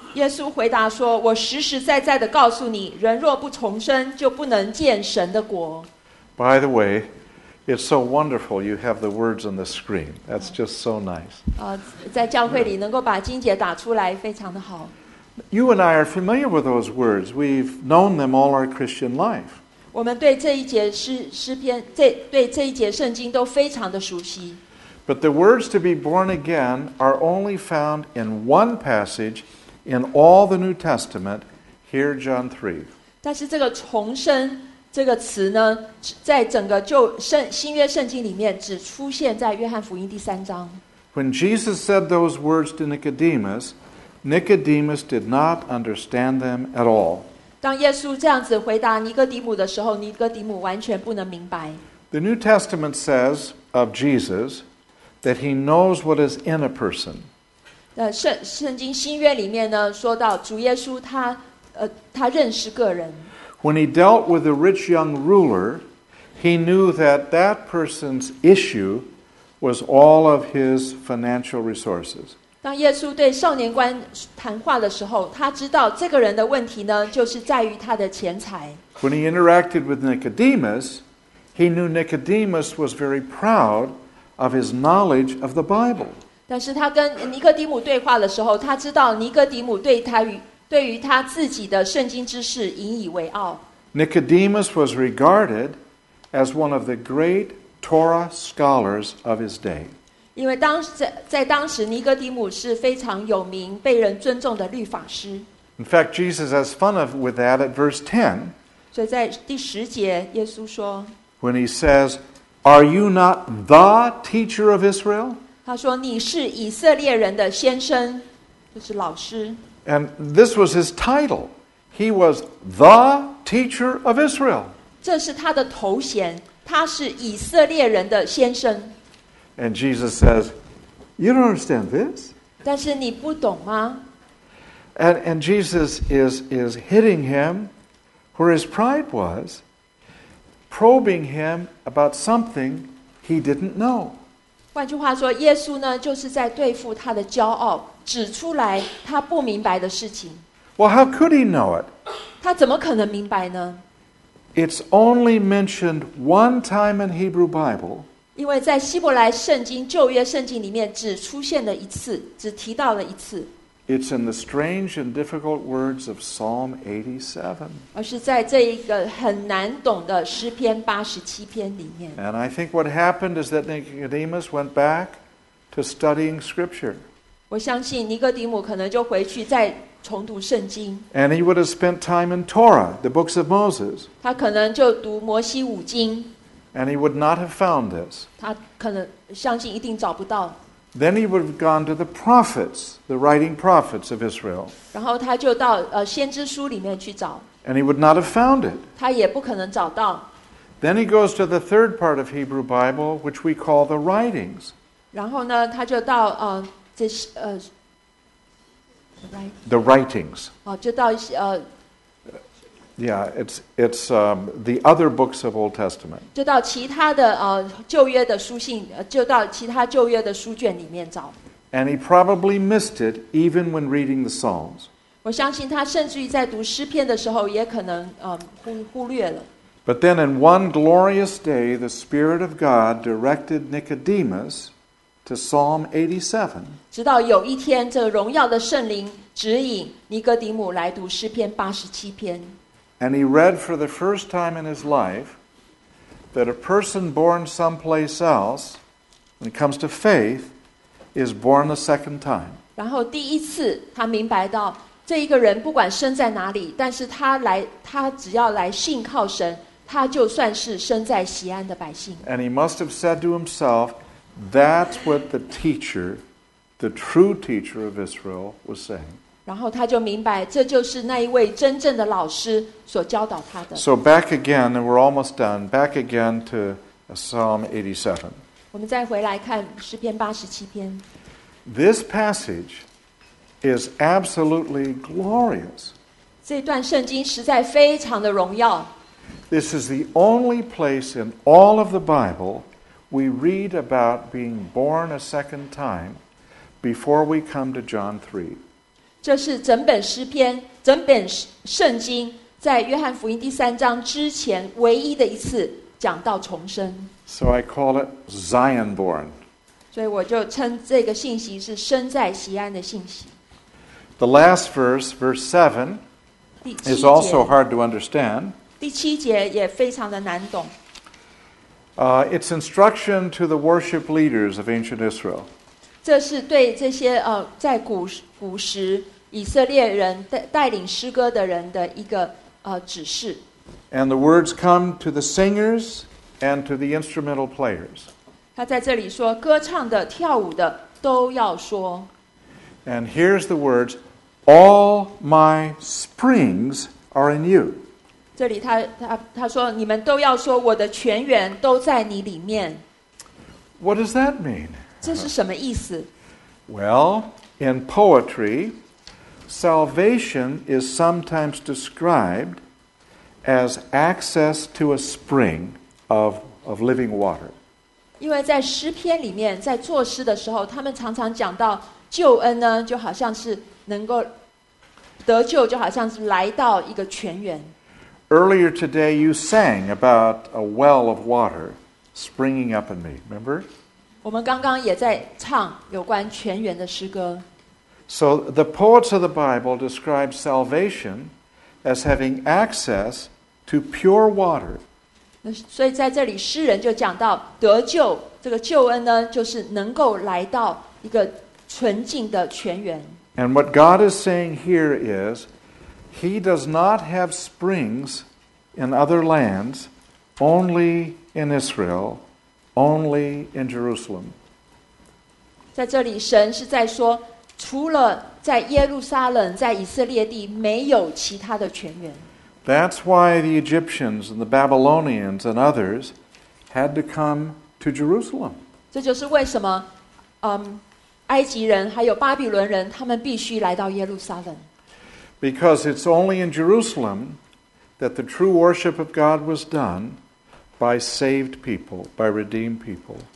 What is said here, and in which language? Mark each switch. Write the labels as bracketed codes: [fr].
[zh] 耶稣回答说，我实实在在的告诉你，人若不重生，就不能见神的国。 [en] By the way,It's so wonderful you have the words on the screen. That's just so nice. [zh] 在教会里能够把经节打出来非常的好。 [en] You and I are familiar with those words. We've known them all our Christian life. [zh] 我们对这一节诗篇，对这一节圣经都非常的熟悉。 [en] But the words to be born again are only found in one passage in all the New Testament, here John 3. [zh] 但是这个重生这个词呢，在整个旧圣新约圣经里面只出现在约翰福音第三章。 [en] When Jesus said those words to Nicodemus, Nicodemus did not understand them at all. [zh] 当耶稣这样子回答尼哥底母的时候，尼哥底母完全不能明白。 [en] The New Testament says of Jesus that he knows what is in a person. [zh] 圣经新约里面呢，说到主耶稣他认识个人。 [en] When he dealt with the rich young ruler, he knew that that person's issue was all of his financial resources. [zh] 当耶稣对少年官谈话的时候，他知道这个人的问题呢，就是在于他的钱财。 [en] When he interacted with Nicodemus, he knew Nicodemus was very proud of his knowledge of the Bible. [zh] 但是他跟尼哥底母对话的时候，他知道尼哥底母对于他自己的圣经知识引以为傲。 [en] Nicodemus was regarded as one of the great Torah scholars of his day. [zh] 因为在当时尼哥底母是非常有名被人尊重的律法师。 [en] In fact, Jesus has fun with that at verse 10. [zh] 所以在第十节耶稣说 [en] When he says, Are you not the teacher of Israel? [zh] 他说你是以色列人的先生就是老师。 [en] And this was his title. He was the teacher of Israel. [zh] 这是他的头衔，他是以色列人的先生。 [en] And Jesus says, "You don't understand this." [zh] 但是你不懂吗？ [en] And Jesus is hitting him where his pride was, probing him about something he didn't know. [zh] 换句话说，耶稣呢，就是在对付他的骄傲。指出来他不明白的事情。 [en] Well, how could he know it? [zh] 他怎么可能明白呢？ [en] It's only mentioned one time in Hebrew Bible. [zh] 因为在希伯来圣经旧约圣经里面只出现了一次，只提到了一次。 [en] It's in the strange and difficult words of Psalm 87. [zh] 而是在这一个很难懂的诗篇八十七篇里面。 [en] And I think what happened is that Nicodemus went back to studying Scripture. [zh] 我相信尼哥底母可能就回去再重读圣经。 [en] And he would have spent time in Torah, the books of Moses. [zh] 他可能就读摩西五经。 [en] And he would not have found this. [zh] 他可能相信一定找不到。 [en] Then he would have gone to the prophets, the writing prophets of Israel. [zh] 然后他就到先知书里面去找。 [en] And he would not have found it. [zh] 他也不可能找到。 [en] Then he goes to the third part of Hebrew Bible, which we call the writings. [zh] 然后呢，他就到这是 [en] The writings. [zh] 哦，就到 [en] Yeah, it's the other books of Old Testament. [zh] 就到其他的旧约的书信，就到其他旧约的书卷里面找。 [en] And he probably missed it even when reading the Psalms. [zh] 我相信他甚至于在读诗篇的时候，也可能忽略了。 [en] But then, in one glorious day, the Spirit of God directed Nicodemus to Psalm 87. [zh] 直到有一天，这荣耀的圣灵指引尼哥底母来读诗篇八十七篇。 [en] And he read for the first time in his life that a person born someplace else, when it comes to faith, is born the second time. [zh] 然后第一次，他明白到这一个人不管生在哪里，但是他只要来信靠神。他就算是生在锡安的百姓。 [en] And he must have said to himself, that's what the teacher, the true teacher of Israel, was saying. [zh] 然后他就明白，这就是那一位真正的老师所教导他的。 [en] So back again, and we're almost done, back again to Psalm 87. [zh] 我们再回来看诗篇八十七篇。 [en] This passage is absolutely glorious. [zh] 这段圣经实在非常的荣耀。 [en] This is the only place in all of the Bible we read about being born a second time before we come to John 3. [zh] 这是整本诗篇，整本圣经在约翰福音第三章之前唯一的一次讲到重生。 [en] So I call it Zion born. [zh] 所以我就称这个信息是生在锡安的信息。 [en] The last verse, verse 7, is also hard to understand. [zh] 第七节也非常的难懂。 [en] It's instruction to the worship leaders of ancient Israel. [zh] 这是对这些在古时以色列人带领诗歌的人的一个指示。 [en] And the words come to the singers and to the instrumental players. [zh] 他在这里说，歌唱的、跳舞的都要说。 [en] And here's the words, all my springs are in you. [zh] 这里他说你们都要说我的泉源都在你里面。 [en] What does that mean? [zh] 这是什么意思? [en] Well, in poetry, salvation is sometimes described as access to a spring of living water. [zh] 因为在诗篇里面，在作诗的时候，他们常常讲到救恩呢，就好像是能够得救，就好像是来到一个泉源。 [en] Earlier today, you sang about a well of water springing up in me. Remember? [zh] 我们刚刚也在唱有关泉源的诗歌。 [en] So the poets of the Bible describe salvation as having access to pure water. [zh] 所以在这里，诗人就讲到得救，这个救恩呢，就是能够来到一个纯净的泉源。 [en] And what God is saying here is. He does not have springs in other lands, only in Israel, only in Jerusalem. [zh] 在这里，神是在说，除了在耶路撒冷，在以色列地，没有其他的泉源。 [en] That's why the Egyptians and the Babylonians and others had to come to Jerusalem. [zh] 这就是为什么，埃及人还有巴比伦人，他们必须来到耶路撒冷。 [en] Because it's only in Jerusalem that the true worship of God was done by saved people, by redeemed people.